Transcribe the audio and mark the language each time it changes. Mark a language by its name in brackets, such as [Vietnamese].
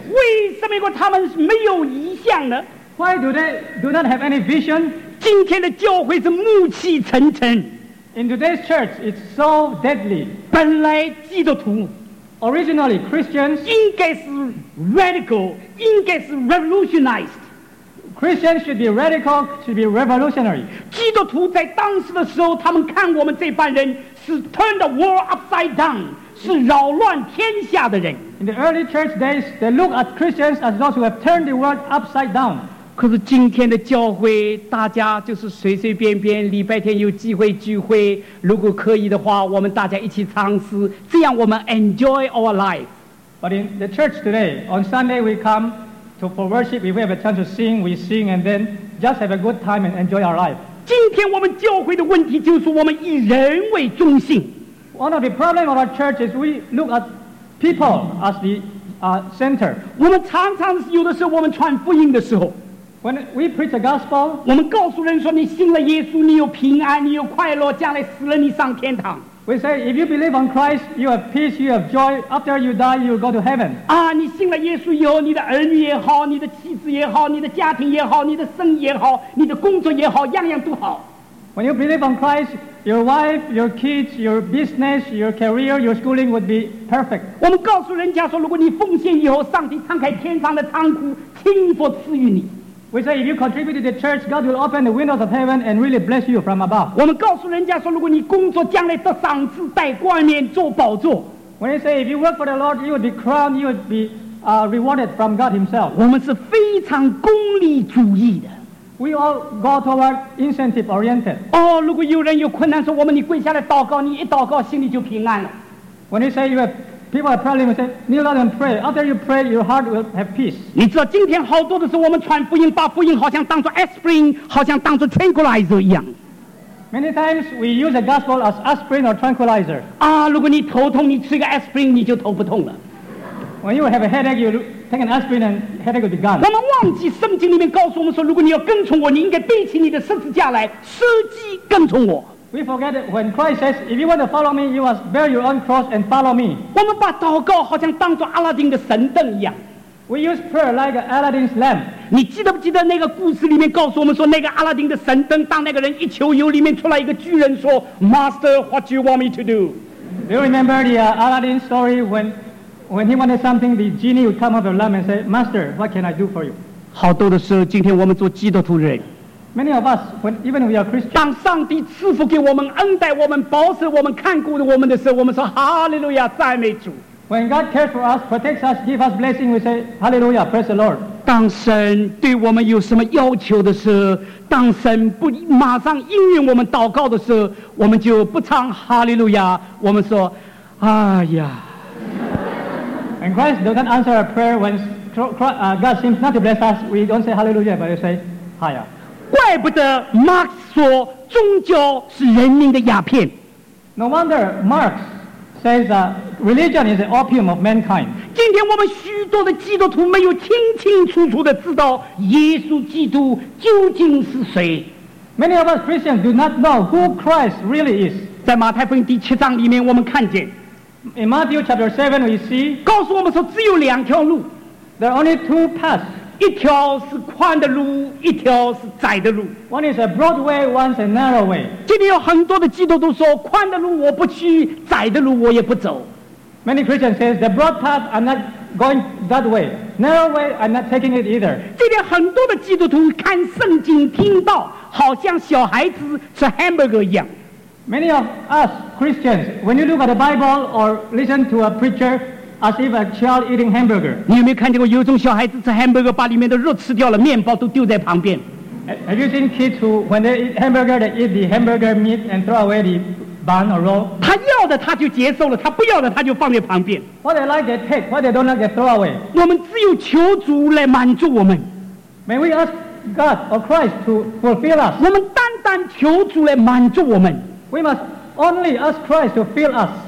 [Chinese] 为什么他们没有意向呢 [English] Why do they do not have any vision? [Chinese] 今天的教会是暮气沉沉 [English] In today's church, it's so deadly. [Chinese] 本来基督徒 [English] Originally, Christians. [Chinese] 应该是 radical, 应该是 revolutionized. [English] Christians should be radical, should be revolutionary. [Chinese] 基督徒在当时的时候，他们看我们这班人是 [English] turn the world upside down, [Chinese] 是扰乱天下的人。 [English] In the early church days, they look at Christians as those who have turned the world upside down. [Chinese] 可是今天的教会，大家就是随随便便，礼拜天有机会聚会，如果可以的话，我们大家一起唱诗，这样我们 [English] enjoy our life. But in the church today, on Sunday we come. So for worship, if we have a chance to sing, we sing and then just have a good time and enjoy our life. [Chinese] 今天我们教会的问题就是我们以人为中心。 [English] One of the problems of our church is we look at people as the center. [Chinese] 我们常常有的时候我们传福音的时候 [English] When we preach the gospel, [Chinese] 我们告诉人说你信了耶稣你有平安你有快乐将来死了你上天堂。 [English] We say, if you believe on Christ, you have peace, you have joy. After you die, you go to heaven. [Chinese] 啊，你信了耶稣以后，你的儿女也好，你的妻子也好，你的家庭也好，你的生意也好，你的工作也好，样样都好。 [English] When you believe on Christ, your wife, your kids, your business, your career, your schooling would be perfect. [Chinese] 我们告诉人家说，如果你奉献以后，上帝敞开天上的仓库，天父赐予你。 [English] We say if you contribute to the church, God will open the windows of heaven and really bless you from above. [Chinese] 我们告诉人家说，如果你工作将来得赏赐、戴冠冕、坐宝座。 [English] When you say if you work for the Lord, you will be crowned, you will be rewarded from God Himself. [Chinese] 我们是非常功利主义的。 [English] We all go toward incentive oriented. [Chinese] 哦，如果有人有困难，说我们你跪下来祷告，你一祷告心里就平安了。 [English] When you say you have People have problems, you say, kneel down and pray. After you pray, your heart will have peace. [Chinese] 你知道今天好多的是我们传福音，把福音好像当作 aspirin, 好像当作 tranquilizer 一样。 [English] Many times we use the gospel as aspirin or tranquilizer. [Chinese] 啊，如果你头痛，你吃个 aspirin, 你就头不痛了。 [English] When you have a headache, you take an aspirin and headache will be gone. [Chinese] 我们忘记圣经里面告诉我们说，如果你要跟从我，你应该背起你的十字架来，舍己跟从我。 [English] We forget that when Christ says, if you want to follow me, you must bear your own cross and follow me. [Chinese] 我们把祷告好像当作阿拉丁的神灯一样。 [English] We use prayer like Aladdin's lamp. [Chinese] 你记得不记得那个故事里面告诉我们说那个阿拉丁的神灯当那个人一求油里面出来一个巨人说 [English] Master, what do you want me to do? Do you remember the Aladdin story when he wanted something, the genie would come out of the lamp and say, Master, what can I do for you? [Chinese] 好多的时候今天我们做基督徒人。 [English] Many of us, even we are Christians. [Chinese] 当上帝赐福给我们、恩待我们、保守我们、看顾我们的时候，我们说 Hallelujah, 赞美主。 [English] When God cares for us, protects us, gives us blessing, we say Hallelujah, praise the Lord. [Chinese] 当神对我们有什么要求的时候，当神不马上应允我们祷告的时候，我们就不唱 Hallelujah, 我们说，哎呀。 [English] When Christ doesn't answer our prayer, when God seems not to bless us, we don't say Hallelujah, but we say Hiya. [Chinese] 怪不得 Marx 说宗教是人民的鸦片。 [English] No wonder Marx says that religion is the opium of mankind. [Chinese] 今天我们许多的基督徒没有清清楚楚地知道耶稣基督究竟是谁。 [English] Many of us Christians do not know who Christ really is. [Chinese] 在马太福音第七章里面我们看见 [English] In Matthew chapter 7 we see [Chinese] 告诉我们说只有两条路 [English] There are only two paths [Chinese] 一条是宽的路一条是窄的路 [English] One is a broad way, one is a narrow way [Chinese] 今天有很多的基督徒说宽的路我不去窄的路我也不走 [English] Many Christians say the broad path I'm not going that way Narrow way I'm not taking it either [Chinese] 今天很多的基督徒看圣经听到好像小孩子吃 hamburger 一样 [English] Many of us Christians, when you look at the Bible or listen to a preacher, as if a child eating hamburger. [Chinese] 你有没有看见过有种小孩子吃 hamburger， 把里面的肉吃掉了，面包都丢在旁边 [English] ？Have you seen kids who, when they eat hamburger, they eat the hamburger meat and throw away the bun or roll? [Chinese] 他要的他就接受了，他不要的他就放在旁边。 [English] What they like, they take. What they don't like, they throw away. [Chinese] 我们只有求主来满足我们。 [English] May we ask God or Christ to fulfill us? [Chinese] 我们单单求主来满足我们。 [English] We must only ask Christ to fill us.